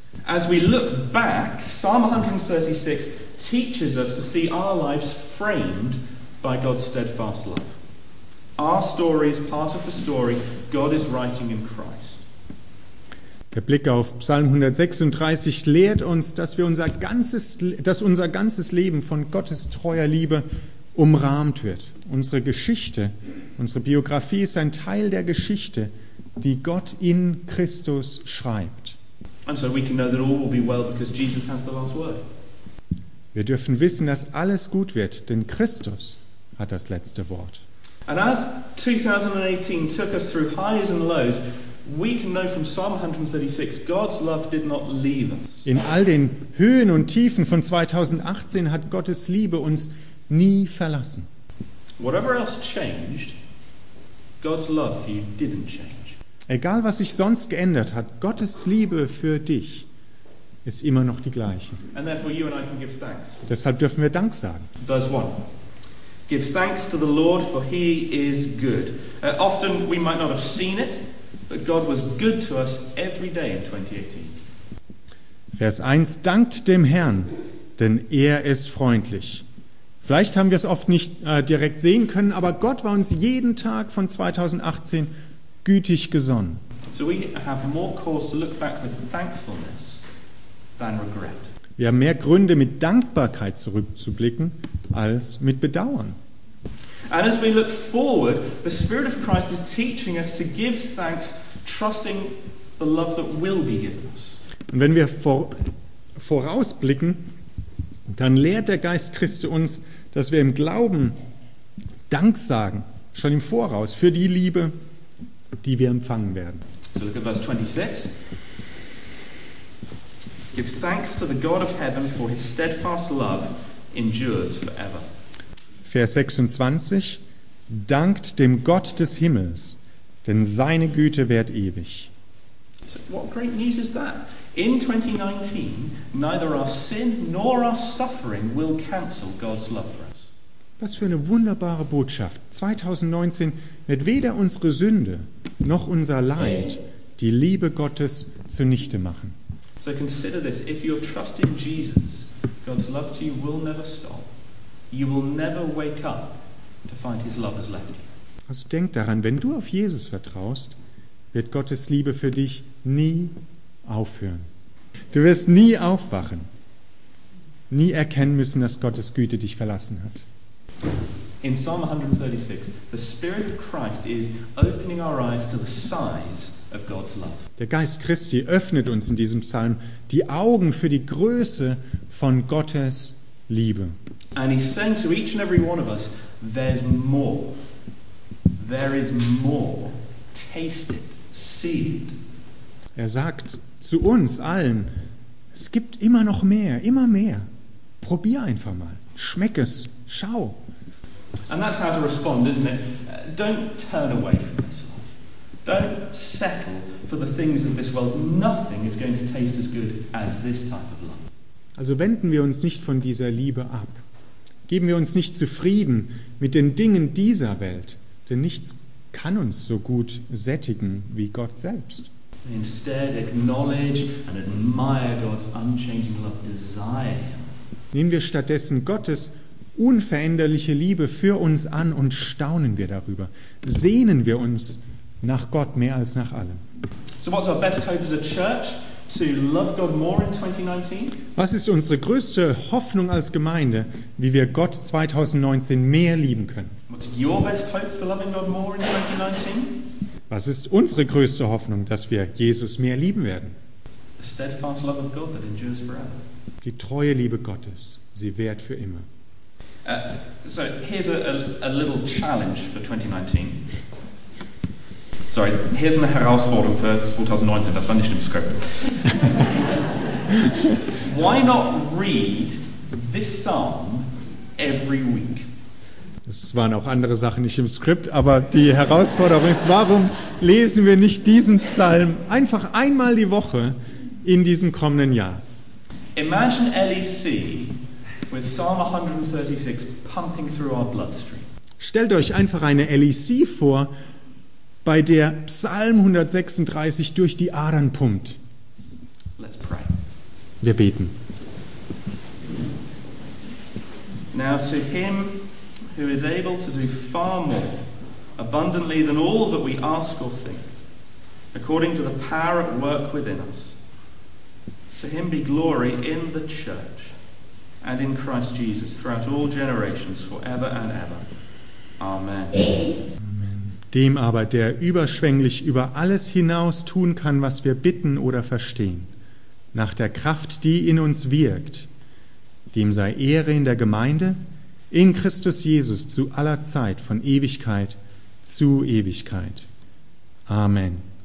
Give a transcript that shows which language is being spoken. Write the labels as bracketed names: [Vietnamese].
[English] As we look back, Psalm 136 teaches us to see our lives framed by God's steadfast love. Our story is part of the story God is writing in Christ. [German] Der Blick auf Psalm 136 lehrt uns, dass wir unser ganzes Leben von Gottes treuer Liebe umrahmt wird. Unsere Geschichte, unsere Biografie ist ein Teil der Geschichte, die Gott in Christus schreibt. [English] And so we can know that all will be well because Jesus has the last word. [German] Wir dürfen wissen, dass alles gut wird, denn Christus hat das letzte Wort. [English] And as 2018 took us through highs and lows, we can know from Psalm 136, God's love did not leave us. [German] In all den Höhen und Tiefen von 2018 hat Gottes Liebe uns nie verlassen. [English] Whatever else changed, God's love for you didn't change. [German] Egal, was sich sonst geändert hat, Gottes Liebe für dich ist immer noch die gleiche. [English] And therefore you and I can give thanks. [German] Deshalb dürfen wir Dank sagen. [English] Verse 1. Give thanks to the Lord, for he is good. Often we might not have seen it, but God was good to us every day in 2018. [German] Vers 1. Dankt dem Herrn, denn er ist freundlich. Vielleicht haben wir es oft nicht direkt sehen können, aber Gott war uns jeden Tag von 2018 gütig gesonnen. [English] So we have more cause to look back with thankfulness than regret. [German] Wir haben mehr Gründe, mit Dankbarkeit zurückzublicken, als mit Bedauern. [English] And as we look forward, the Spirit of Christ is teaching us to give thanks, trusting the love that will be given us. [German] Und wenn wir vorausblicken, dann lehrt der Geist Christi uns, dass wir im Glauben Dank sagen, schon im Voraus, für die Liebe, die wir empfangen werden. [English] So look at verse 26. Give thanks to the God of heaven, for his steadfast love endures forever. [German] Vers 26. Dankt dem Gott des Himmels, denn seine Güte währt ewig. [English] So what great news is that? In 2019, neither our sin nor our suffering will cancel God's love for us. [German] Was für eine wunderbare Botschaft. 2019 wird weder unsere Sünde noch unser Leid die Liebe Gottes zunichte machen. [English] So consider this, if you're trusting Jesus, God's love to you will never stop. You will never wake up to find his love has left you. [German] Also denk daran, wenn du auf Jesus vertraust, wird Gottes Liebe für dich nie aufhören. Du wirst nie aufwachen, nie erkennen müssen, dass Gottes Güte dich verlassen hat. [English] In Psalm 136, the Spirit of Christ is opening our eyes to the size of God's love. [German] Der Geist Christi öffnet uns in diesem Psalm die Augen für die Größe von Gottes Liebe. [English] And he's saying to each and every one of us, there's more. There is more. Taste it. See it. [German] Er sagt zu uns allen, es gibt immer noch mehr, immer mehr. Probier einfach mal. Schmeck es. Schau. [English] And that's how to respond, isn't it? Don't turn away from this life. Don't settle for the things of this world. Nothing is going to taste as good as this type of love. [German] Also wenden wir uns nicht von dieser Liebe ab. Geben wir uns nicht zufrieden mit den Dingen dieser Welt. Denn nichts kann uns so gut sättigen wie Gott selbst. [English] Instead, acknowledge and admire God's unchanging love, desire him. [German] Nehmen wir stattdessen Gottes unveränderliche Liebe für uns an und staunen wir darüber. Sehnen wir uns nach Gott mehr als nach allem. [English] So what's our best hope as a church to love God more in 2019? [German] Was ist unsere größte Hoffnung als Gemeinde, wie wir Gott 2019 mehr lieben können? [English] What's your best hope for loving God more in 2019? [German] Was ist unsere größte Hoffnung, dass wir Jesus mehr lieben werden? [English] The steadfast love of God that endures forever. [German] Die treue Liebe Gottes, sie währt für immer. [English] So here's a little challenge for 2019. Sorry, here's a herausforderung for 2019. [German] Das war nicht im Skript. [English] Why not read this psalm every week? [German] Es waren auch andere Sachen nicht im Skript, aber die Herausforderung ist, warum lesen wir nicht diesen Psalm einfach einmal die Woche in diesem kommenden Jahr? [English] Imagine LEC with Psalm 136 pumping through our bloodstream. [German] Stellt euch einfach eine LEC vor, bei der Psalm 136 durch die Adern pumpt. [English] Let's pray. [German] Wir beten. [English] Now to him who is able to do far more abundantly than all that we ask or think, according to the power at work within us. To him be glory in the church and in Christ Jesus throughout all generations, forever and ever. Amen. [German] Dem aber, der überschwänglich über alles hinaus tun kann, was wir bitten oder verstehen, nach der Kraft, die in uns wirkt, dem sei Ehre in der Gemeinde, in Christus Jesus zu aller Zeit, von Ewigkeit zu Ewigkeit. Amen.